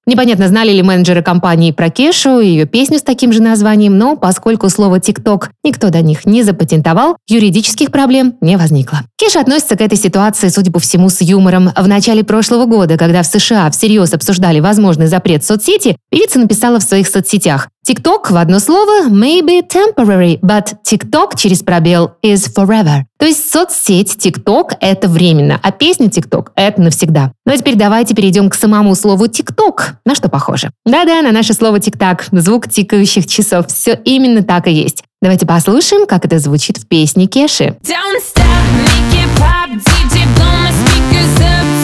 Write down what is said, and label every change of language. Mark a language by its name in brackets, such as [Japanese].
[Russian] Непонятно, знали ли менеджеры компании про Кешу и ее песню с таким же названием, но поскольку слово TikTok никто до них не запатентовал, юридических проблем не возникло. Кеша относится к этой ситуации, судя по всему, с юмором. В начале прошлого года, когда в США всерьез обсуждали возможный запрет соцсети, певица написала в своих соцсетях. [English] TikTok [Russian] в одно слово [English] maybe temporary, but TikTok [Russian] через пробел [English] is forever. [Russian] То есть соцсеть TikTok – это временно, а песня TikTok – это навсегда. Ну а теперь давайте перейдем к самому слову TikTok. На что похоже? Да-да, на наше слово TikTok, звук тикающих часов. Все именно так и есть. Давайте послушаем, как это звучит в песне Кеши. [English] Don't stop, make it pop, DJ, blow my speakers up.